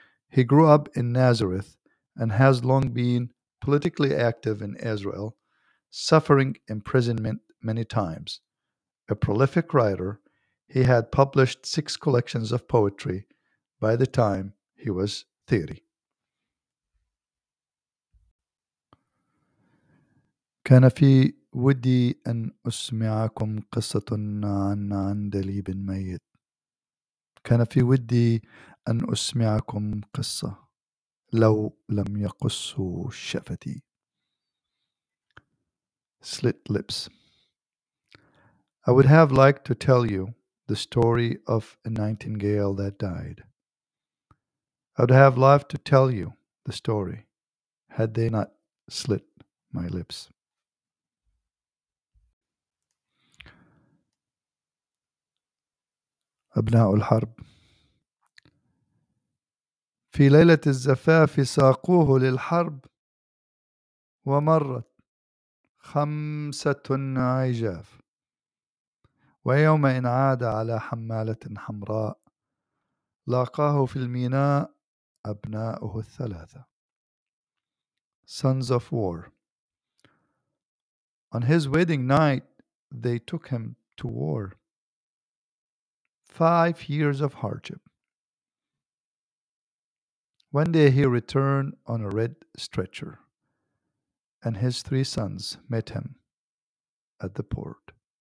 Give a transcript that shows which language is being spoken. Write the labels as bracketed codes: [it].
[en] He grew up in Nazareth and has long been politically active in Israel, suffering imprisonment many times. A prolific writer, he had published 6 collections of poetry by the time he was 30. [ar] كان في ودي أن أسمعكم قصة عن عندليب ميت. كان في ودي أن أسمعكم قصة لو لم يقصوا شفتي. [en] Slit lips. I would have liked to tell you the story of a nightingale that died. I would have loved to tell you the story had they not slit my lips. [ar] أبناء الحرب. في ليلة الزفاف ساقوه للحرب، ومرت 5 عجاف، ويوم إن عاد على حمالة حمراء لاقاه في الميناء أبناؤه 3. [en] Sons of War. On his wedding night they took him to war. 5 years of hardship. One day he returned on a red stretcher, and his 3 sons met him at the port.